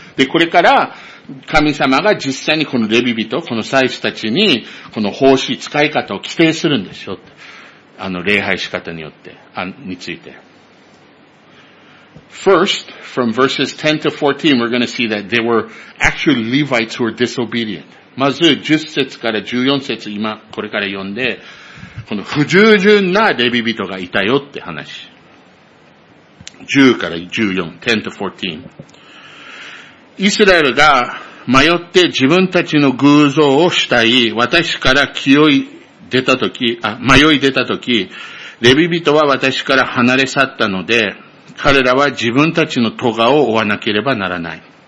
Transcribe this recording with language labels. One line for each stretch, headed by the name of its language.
Japanese: で、これから神様が実際にこのレビ人、この祭司たちに、この奉仕使い方を規定するんですよって。あの礼拝仕方によって、について。
English: First, from verses 10 to 14, we're going to see that there were actually Levites who were disobedient.
Japanese: まず10節から14節、今これから読んで、この不従順なレビ人がいたよって話。 10から14、
English: 10 to 14。
Japanese: イスラエルが迷って自分たちの偶像をしたい、私から清い出たとき、迷い出たとき、レビ人は私から離れ去ったので、彼らは自分たちの咎を負わなければならない。